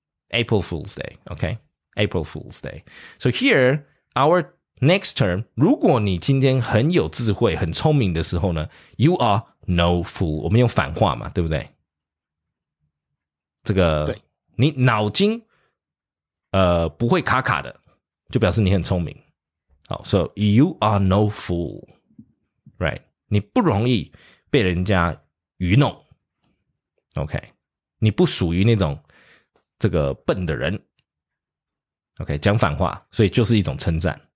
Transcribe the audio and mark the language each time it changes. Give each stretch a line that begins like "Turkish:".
English: April Fool's Day, okay? April Fool's Day. So here, our... Next term,
Chinese: 如果你今天很有智慧、很聪明的时候呢 ，
English: you are no fool.
Chinese: 我们用反话嘛，对不对？这个，对你脑筋不会卡卡的，就表示你很聪明。
English: 好 ，so you are no fool, right?
Chinese: 你不容易被人家愚弄。 OK, 你不属于那种这个笨的人。 OK, 讲反话，所以就是一种称赞。